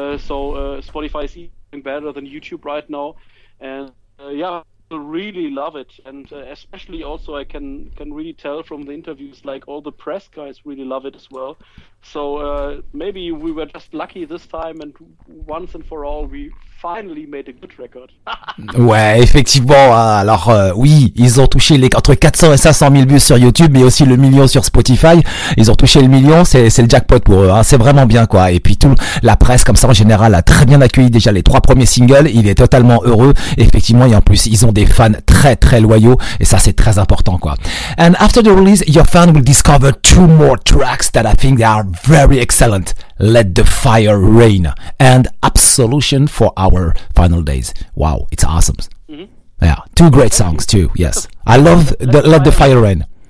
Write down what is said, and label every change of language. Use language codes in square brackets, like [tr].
[en] So Spotify is even better than YouTube right now. And yeah, I really love it. And especially also I can really tell from the interviews, like all the press guys really love it as well. So maybe we were just lucky this time, and once and for all, we finally made a good record. [fr] Ouais, effectivement. Alors oui, ils ont touché les entre 400 et 500 000 vues sur YouTube, mais aussi le million sur Spotify. Ils ont touché le million, c'est le jackpot pour eux. Hein. C'est vraiment bien, quoi. Et puis tout la presse, comme ça en général, a très bien accueilli déjà les trois premiers singles. Il est totalement heureux, effectivement. Et en plus, ils ont des fans très très loyaux, et ça c'est très important, quoi. [en] And after the release, your fans will discover two more tracks that I think they are very excellent. Let the fire rain and Absolution for our final days. Wow, it's awesome. Mm-hmm. Yeah, two great songs too. Yes, I love the Let the Fire Rain.